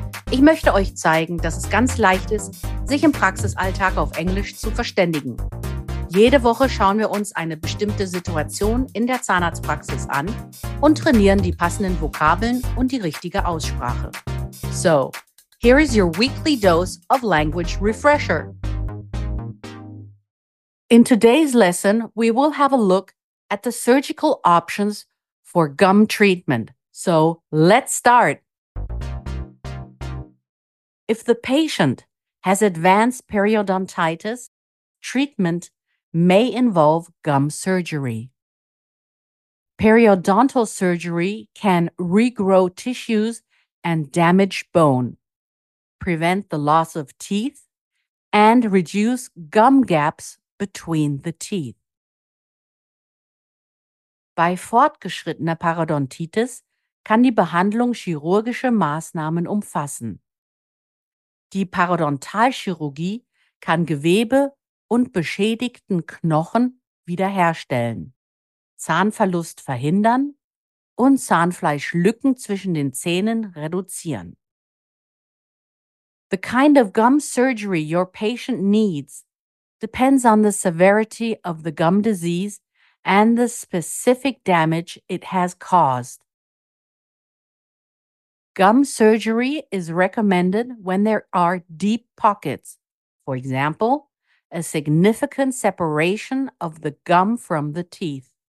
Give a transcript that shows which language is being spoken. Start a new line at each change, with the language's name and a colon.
German: Ich möchte euch zeigen, dass es ganz leicht ist, sich im Praxisalltag auf Englisch zu verständigen. Jede Woche schauen wir uns eine bestimmte Situation in der Zahnarztpraxis an und trainieren die passenden Vokabeln und die richtige Aussprache.
English: So, here is your weekly dose of language refresher. In today's lesson, we will have a look at the surgical options for gum treatment. So, let's start. If the patient has advanced periodontitis, treatment may involve gum surgery. Periodontal surgery can regrow tissues and damage bone, prevent the loss of teeth, and reduce gum gaps between the teeth.
German: Bei fortgeschrittener Parodontitis kann die Behandlung chirurgische Maßnahmen umfassen. Die Parodontalchirurgie kann Gewebe und beschädigten Knochen wiederherstellen, Zahnverlust verhindern und Zahnfleischlücken zwischen den Zähnen reduzieren.
English: The kind of gum surgery your patient needs depends on the severity of the gum disease and the specific damage it has caused. Gum surgery is recommended when there are deep pockets, for example, a significant separation of the gum from the teeth.